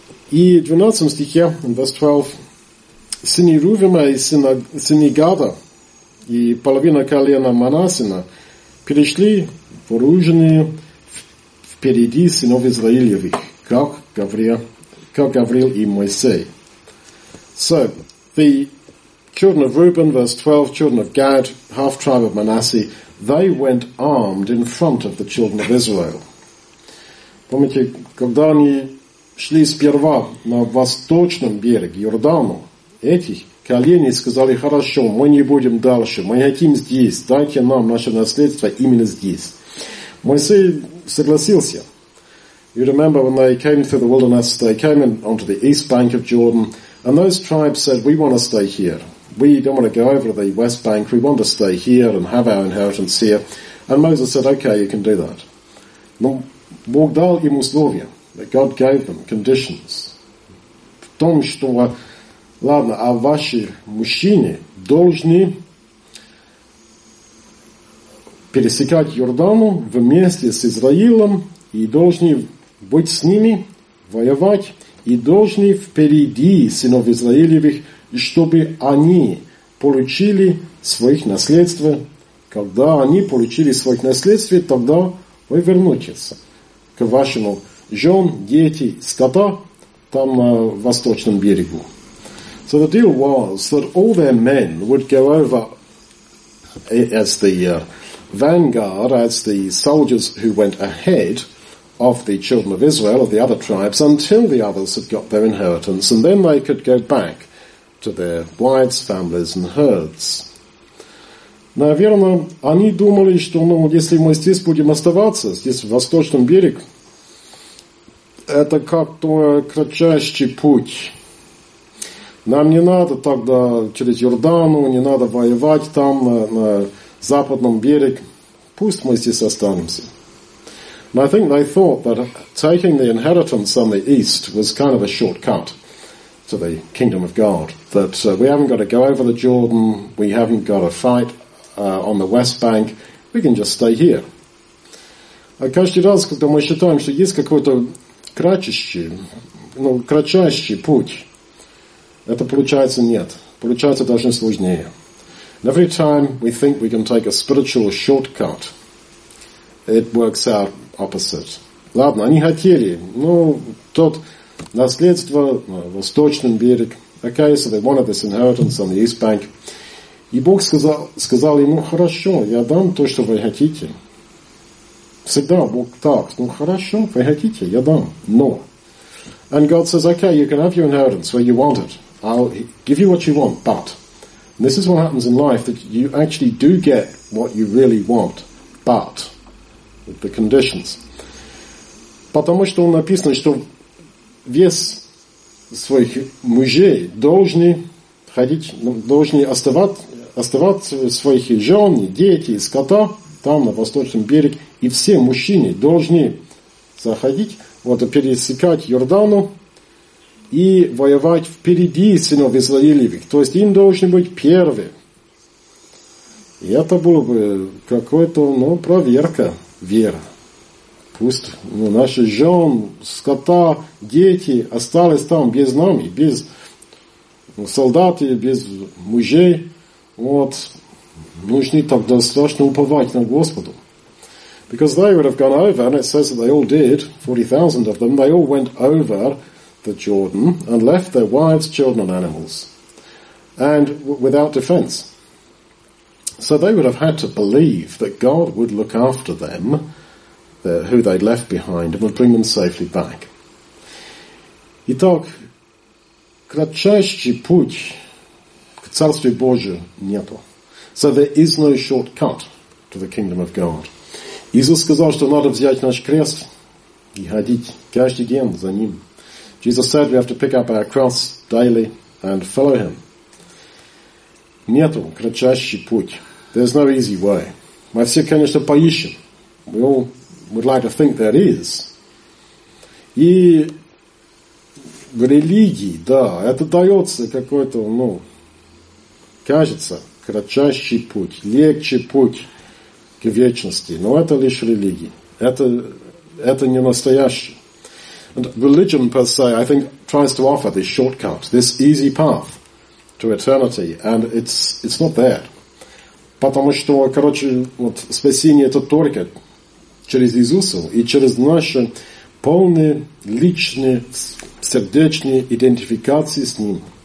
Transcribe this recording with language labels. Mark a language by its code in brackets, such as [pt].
[ru] И в 12 стихе, [en] in verse 12, [ru] сыни Рувима и сыни Гада и половина колена Манасина перешли вооруженные впереди сынов Израилевых, как Гавриил и Моисей. [en] So, the children of Reuben, verse 12, children of Gad, half-tribe of Manasseh, they went armed in front of the children of Israel. [ru] Помните, когда они шли сперва на восточном береге Иордана, эти колени сказали, хорошо, мы не будем дальше, мы хотим здесь, дайте нам наше наследство именно здесь. Моисей согласился. [en] You remember when they came through the wilderness, they came in onto the east bank of Jordan, and those tribes said, we want to stay here. We don't want to go over to the west bank. We want to stay here and have our inheritance here. And Moses said, okay, you can do that. [ru] Но Бог дал им условия. [en] That God gave them conditions. [ru] В том, что, ладно, а ваши мужчины должны пересекать Иордану вместе с Израилем и должны быть с ними, воевать, и должны впереди сынов Израилевых, чтобы они получили своих наследств. Когда они получили своих наследств, тогда вы вернетесь к вашему жен, дети, скота там на восточном берегу. [en] So the deal was that all their men would go over as the vanguard, as the soldiers who went ahead of the children of Israel, of the other tribes, until the others had got their inheritance, and then they could go back to their wives, families, and herds. [ru] Наверное, они думали, что, ну, если мы здесь будем оставаться, здесь, в восточном берегу, это как-то кратчайший путь. Нам не надо тогда через Иордану, не надо воевать там, на западном береге. Пусть мы здесь останемся. [en] And I think they thought that taking the inheritance on the east was kind of a shortcut to the kingdom of God. That we haven't got to go over the Jordan, we haven't got to fight on the west bank, we can just stay here. [ru] А каждый раз, когда мы считаем, что есть какой-то кратчайший путь, это получается нет. Получается даже сложнее. [en] And every time we think we can take a spiritual shortcut, it works out opposite. [ru] Ладно, они хотели, ну, тот наследство, восточный берег, [en] okay, so they wanted this inheritance on the east bank. [ru] И Бог сказал ему, хорошо, я дам то, что вы хотите. Всегда Бог так, ну, хорошо, вы хотите, я дам, но. [en] And God says, okay, you can have your inheritance where you want it. I'll give you what you want, but. This is what happens in life, that you actually do get what you really want, but with the conditions. [ru] Потому что написано, что весь своих мужей должны ходить, должны оставаться своих жен, дети, скота там на восточном берег, и все мужчины должны заходить, вот, пересекать Иордану и воевать впереди сынов Израилевых. То есть им должны быть первые. И это было бы какой-то, ну, проверка веры. Пусть, ну, наши жен, скота, дети остались там без нами, без солдат, без мужей. Вот. Нужны тогда страшно уповать на Господу. [en] Because they would have gone over, and it says that they all did, 40,000 of them, they all went over the Jordan and left their wives, children, and animals, and without defense. So they would have had to believe that God would look after them, who they'd left behind, and would bring them safely back. [ru] Итак, кратчайший путь к Царствия Божия нету. [en] So there is no shortcut to the kingdom of God. [ru] Иисус сказал, что надо взять наш крест и ходить каждый день за ним. [en] Jesus said we have to pick up our cross daily and follow him. [ru] Нету кратчайший путь. [en] There's no easy way. [ru] Мы все, конечно, поищем. [en] We all would like to think there is. [ru] И в религии, да, это дается какой-то, ну, кажется, кратчайший путь, легче путь к вечности. Но это лишь религия. Это не настоящее. [en] And religion, per se, I think, tries to offer this shortcut, this easy path to eternity. And it's not there. [ru] Потому что, короче, вот спасение это только через Иисуса и через наше полное личное сердечное идентификации с Ним.